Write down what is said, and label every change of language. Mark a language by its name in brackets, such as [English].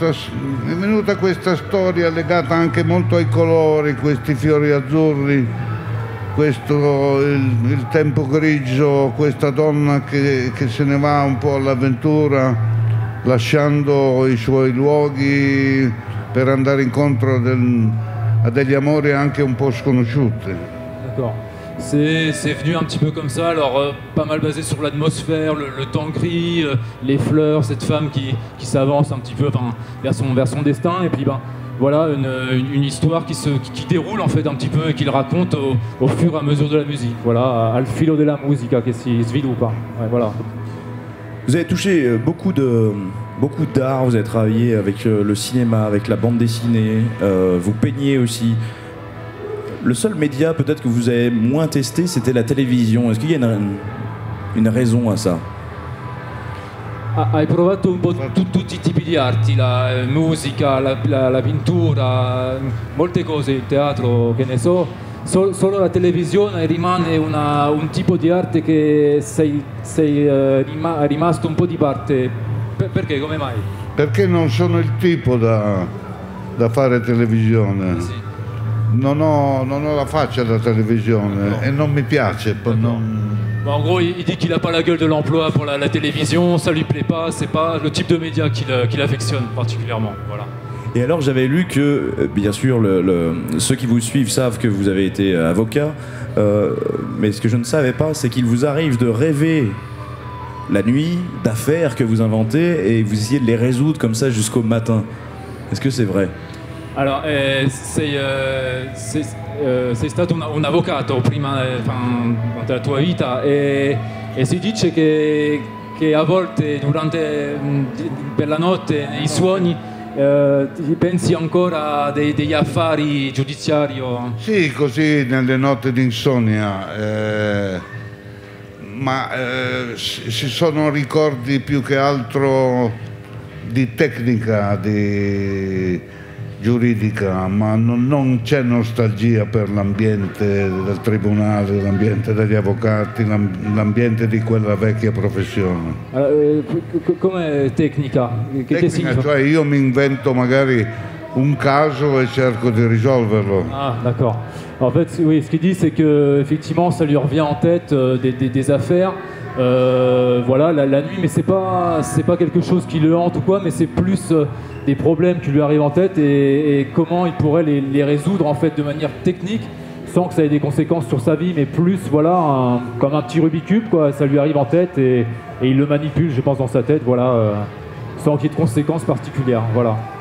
[Italian] Mi è venuta questa storia legata anche molto ai colori, questi fiori azzurri, questo il tempo grigio, questa donna che se ne va un po' all'avventura lasciando i suoi luoghi per andare incontro a degli amori anche un po' sconosciuti. [French] C'est venu un petit peu comme ça, alors pas mal basé sur l'atmosphère, le temps gris, les fleurs, cette femme qui s'avance un petit peu vers son destin, et puis une histoire qui déroule en fait un petit peu et qu'il raconte au fur et à mesure de la musique, voilà, [Italian] al filo della musica, che si svilu, [French] pas. Ouais, voilà. Vous avez touché beaucoup d'art, vous avez travaillé avec le cinéma, avec la bande dessinée, vous peignez aussi. Le seul média peut-être que vous avez moins testé, c'était la télévision. Est-ce qu'il y a une raison à ça? [Italian] Hai provato un po' tutti i tipi di arti, la musica, la pittura, molte cose, il teatro, che ne so. solo la televisione rimane un tipo di arte che sei rimasto un po' di parte. Perché? Come mai? Perché non sono il tipo da fare televisione. Sì. Non ho la faccia da televisione, no. E non mi piace. [French] Ma en gros, il dit qu'il n'a pas la gueule de l'emploi pour la télévision, ça ne lui plaît pas, c'est pas le type de média qu'il affectionne particulièrement. Voilà. Et alors, j'avais lu que, bien sûr, ceux qui vous suivent savent que vous avez été avocat, mais ce que je ne savais pas, c'est qu'il vous arrive de rêver la nuit d'affaires que vous inventez et vous essayez de les résoudre comme ça jusqu'au matin. Est-ce que c'est vrai? [Italian] Alors, sei stato un avvocato prima della tua vita e si dice che a volte durante per la notte nei sogni pensi ancora degli affari giudiziari. Sì, così nelle notti d'insonnia, ma si sono ricordi più che altro di tecnica, di giuridica, ma non c'è nostalgia per l'ambiente del tribunale, l'ambiente degli avvocati, l'ambiente di quella vecchia professione. Come tecnica? Che tecnica, cioè io mi invento magari un caso e cerco di risolverlo. [French] Ah, d'accord. En fait, oui, ce qu'il dit, c'est que effectivement, ça lui revient en tête des affaires. Voilà, la nuit, mais c'est pas quelque chose qui le hante ou quoi, mais c'est plus des problèmes qui lui arrivent en tête et comment il pourrait les résoudre en fait de manière technique sans que ça ait des conséquences sur sa vie, mais plus voilà comme un petit Rubik's Cube quoi, ça lui arrive en tête et il le manipule, je pense, dans sa tête, voilà, sans qu'il y ait de conséquences particulières, voilà.